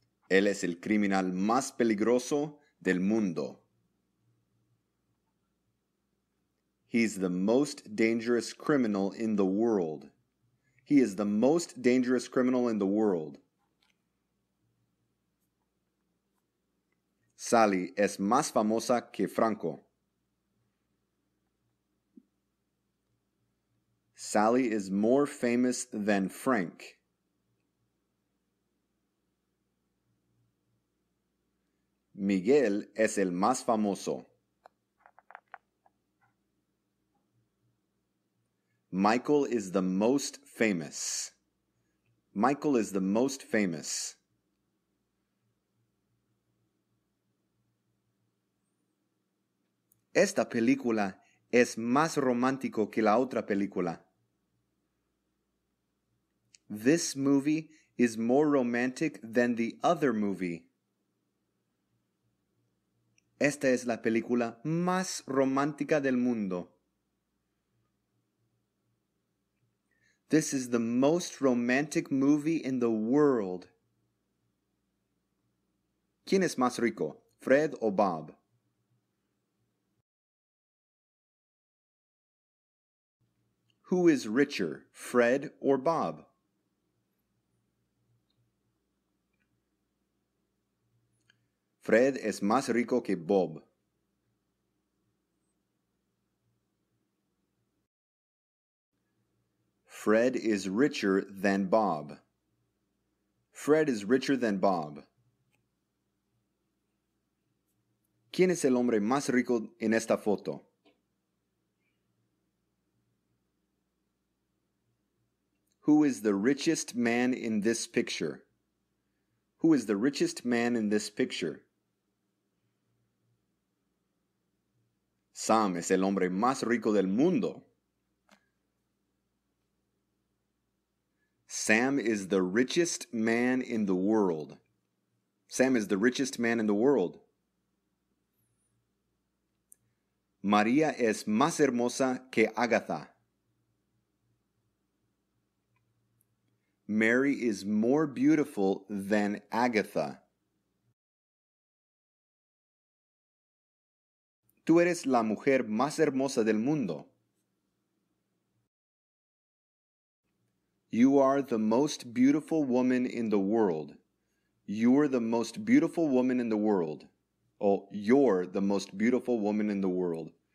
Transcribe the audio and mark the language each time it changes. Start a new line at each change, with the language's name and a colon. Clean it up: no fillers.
Spanish: Él es el criminal más peligroso del mundo.
English: He's the most dangerous criminal in the world. He is the most dangerous criminal in the world.
Spanish: Sally es más famosa que Franco.
English: Sally is more famous than Frank.
Spanish: Miguel es el más famoso.
English: Michael is the most famous. Michael is the most famous.
Spanish: Esta película es más romántico que la otra película.
English: This movie is more romantic than the other movie.
Spanish: Esta es la película más romántica del mundo.
English: This is the most romantic movie in the world.
Spanish: ¿Quién es más rico, Fred o Bob?
English: Who is richer, Fred or Bob?
Spanish: Fred es más rico que Bob.
English: Fred is richer than Bob. Fred is richer than Bob.
Spanish: ¿Quién es el hombre más rico en esta foto?
English: Who is the richest man in this picture? Who is the richest man in this picture?
Spanish: Sam es el hombre más rico del mundo.
English: Sam is the richest man in the world. Sam is the richest man in the world.
Spanish: María es más hermosa que Agatha.
English: Mary is more beautiful than Agatha.
Spanish: Tú eres la mujer más hermosa del mundo.
English: You are the most beautiful woman in the world. You are the most beautiful woman in the world. You're the most beautiful woman in the world.